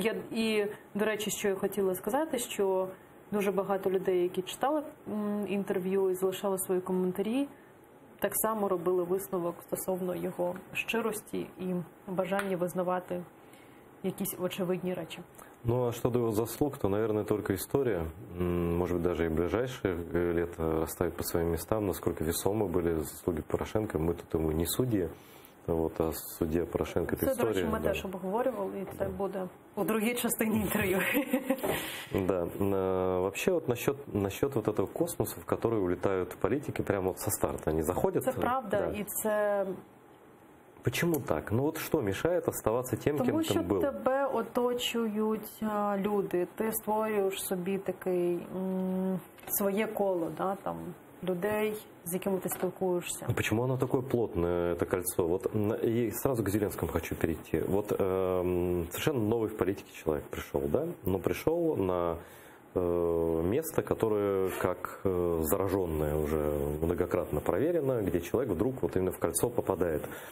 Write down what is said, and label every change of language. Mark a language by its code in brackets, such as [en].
[uk] І, до речі, що я хотіла сказати, що дуже багато людей, які читали інтерв'ю і залишали свої коментарі, так само робили висновок стосовно його щирості і бажання визнавати якісь очевидні речі. Ну, а щодо його заслуг, то, наверное, тільки історія, може бути, навіть і ближайші літа розставить по своїм містам, наскільки весомі були заслуги Порошенка, ми тут йому не судді. [ru] Вот, а судья Порошенко – это история. Это, до речи, мы [uk] теж обговорювали, [ru] и это будет в другой части интервью. Да. Вообще, вот насчет вот этого космоса, в который улетают политики прямо вот со старта, они заходят. Это правда, и это… Почему так? Ну вот что мешает оставаться тем, кем ты был? [uk] Тому що тебе оточують люди, ты створюєш собі такий своє коло, да, там… людей, с якими ты сталкиваешься. [ru] Почему оно такое плотное, это кольцо? Вот, и сразу к Зеленскому хочу перейти. Вот совершенно новый в политике человек пришел, да? Но пришел на место, которое как зараженное уже многократно проверено, где человек вдруг вот именно в кольцо попадает.